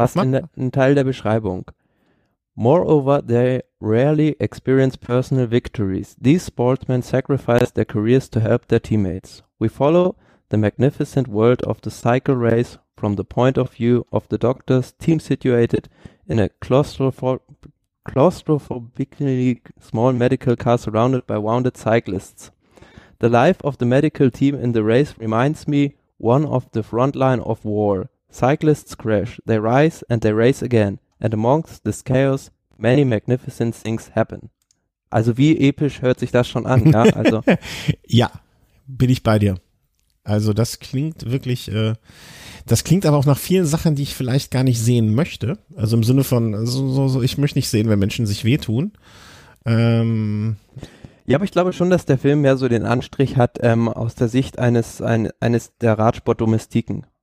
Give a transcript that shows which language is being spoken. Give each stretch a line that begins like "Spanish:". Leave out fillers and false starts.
German: was ein Teil der Beschreibung.
English: Moreover, they rarely experience personal victories. These sportsmen sacrifice their careers to help their teammates. We follow the magnificent world of the cycle race from the point of view of the doctors, team situated in a claustrophobically small medical car surrounded by wounded cyclists. The life of the medical team in the race reminds me one of the front line of war. Cyclists crash, they rise and they race again. And amongst this chaos, many magnificent things happen.
German: Also wie episch hört sich das schon an, ja? Also. Ja, bin ich bei dir. Also das klingt wirklich, das klingt aber auch nach vielen Sachen, die ich vielleicht gar nicht sehen möchte. Also im Sinne von, so, ich möchte nicht sehen, wenn Menschen sich wehtun. Ja, aber ich glaube schon, dass der Film mehr so den Anstrich hat aus der Sicht eines der Radsport-Domestiken.